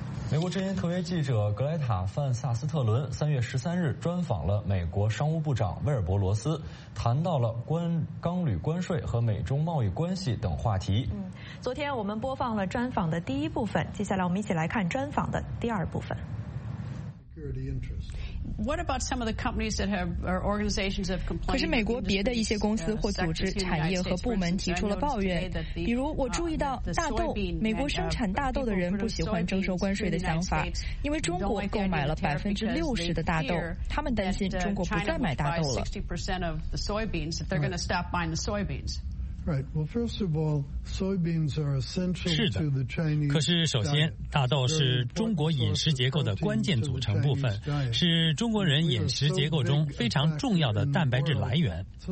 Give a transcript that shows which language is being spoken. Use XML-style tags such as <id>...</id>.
<zh>美国之音特约记者格莱塔·范萨斯特伦3月13日专访了美国商务部长威尔伯·罗斯，谈到了钢铝关税和美中贸易关系等话题。昨天我们播放了专访的第一部分，接下来我们一起来看专访的第二部分。</zh> <en>What about some of the companies that have or organizations have complained?</en> <zh>可是美国别的一些公司或组织、产业和部门提出了抱怨。比如，我注意到大豆，美国生产大豆的人不喜欢征收关税的想法，因为中国购买了60%的大豆，他们担心中国不再买大豆了。是的，可是首先，大豆是中国饮食结构的关键组成部分，是中国人饮食结构中非常重要的蛋白质来源。</zh>